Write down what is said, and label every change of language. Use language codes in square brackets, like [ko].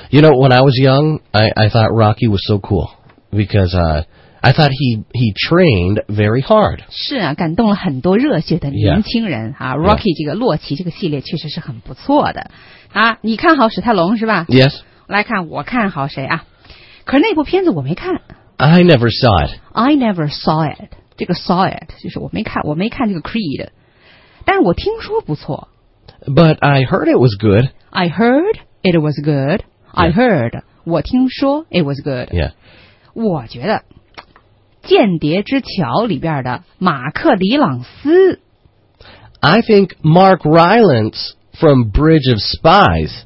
[en] You know, when I was young, I thought Rocky was so cool because I thought he trained very hard. [zh] 是啊，感动了很多热血的年轻人、 [en] yeah. 啊。Rocky、 yeah. [zh] 这个洛奇这个系列确实是很不错的啊。你看好史泰龙是吧 [en] ？Yes. [zh] 来看我看好谁啊？可是那部片子我没看。 [en] I never saw it. I never saw it. [zh] 这个 saw it 就是我没看，我没看这个 Creed。但我听说不错。 [en] But I heard it was good. I heard it was good. I heard、 yeah. [zh] 我听说 [en] it was good. Yeah. [zh] 我觉得《间谍之桥》里边的马克·里朗斯。 [en] I think Mark Rylance from Bridge of Spies.